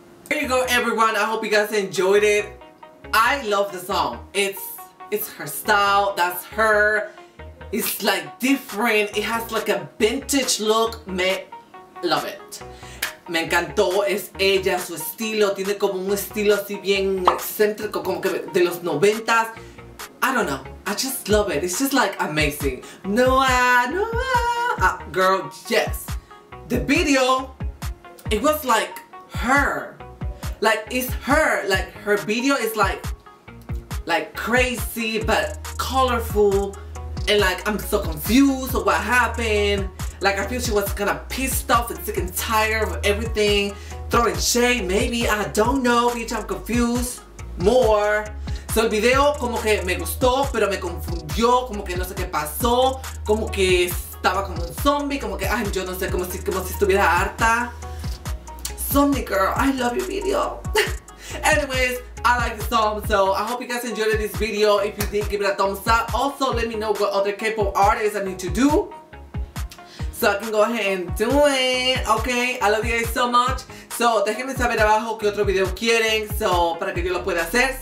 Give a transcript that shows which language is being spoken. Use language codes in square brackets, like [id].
[en] Go everyone, I hope you guys enjoyed it. I love the song. It's her style, that's her. It's like different, it has like a vintage look. Me love it. [es] Me encantó, es ella, su estilo, tiene como un estilo así bien excéntrico, como que de los noventas. [en] I don't know, I just love it. It's just like amazing. Noah, girl, yes. The video, it was like her. Like, it's her, like, her video is like crazy, but colorful, and like, I'm so confused of what happened. Like, I feel she was kind of pissed off and sick and tired of everything, throwing shade, maybe, I don't know, bitch, I'm confused, more. [es] So el video, como que me gustó, pero me confundió, como que no sé qué pasó, como que estaba como un zombie, como que, ay, yo no sé, como si estuviera harta. [en] Sunmi girl, I love your video. Anyways, I like the song, so I hope you guys enjoyed this video. If you did, give it a thumbs up. Also, let me know what other K-pop artists I need to do so I can go ahead and do it. Okay, I love you guys so much. [es] So, déjenme saber abajo qué otro video quieren, so, para que yo lo pueda hacer.